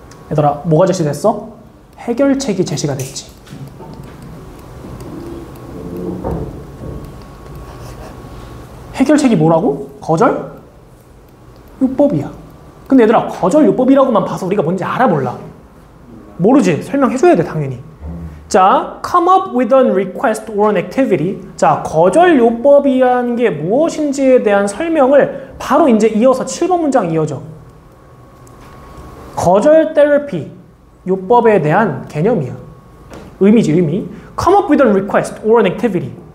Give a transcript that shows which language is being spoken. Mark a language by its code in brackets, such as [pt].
[ko] 얘들아, 뭐가 제시됐어? 해결책이 제시가 됐지. 해결책이 뭐라고? 거절? 요법이야. 근데 얘들아, 거절 요법이라고만 봐서 우리가 뭔지 알아볼라? 모르지? 설명해줘야 돼, 당연히. 자, [en] come up with a request or an activity. [ko] 자, 거절 요법이라는 게 무엇인지에 대한 설명을 바로 이제 이어서 7번 문장 이어져. 거절 테라피, 요법에 대한 개념이야. 의미지, 의미. [en] Come up with a request or an activity.